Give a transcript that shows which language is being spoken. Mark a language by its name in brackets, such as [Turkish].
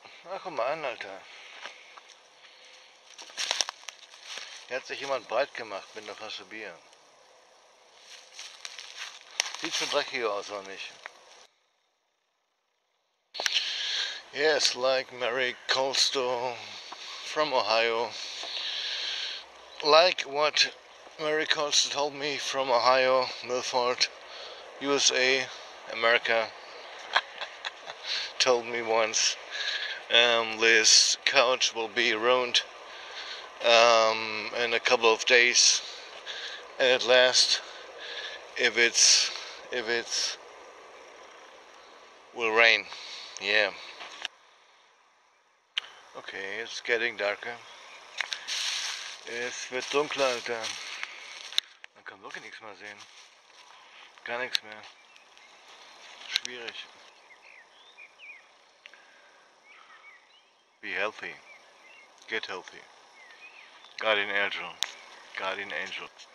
[German] Ach, guck mal an, Alter. Hier hat sich jemand breit gemacht mit einer Flasche Bier. Sieht schon dreckig aus, oder nicht? [English] Yes, like Mary Colstow from Ohio. Like what Mary Colstow told me from Ohio, Milford, USA, America, told me once. This couch will be ruined in a couple of days. And at last, if it's, will rain. Yeah. Okay, it's getting darker. [German] Es wird dunkler, Alter. Man kann wirklich nichts mehr sehen. Gar nichts mehr. Schwierig. [English] Be healthy. Get healthy. Guardian Angel. Guardian Angel.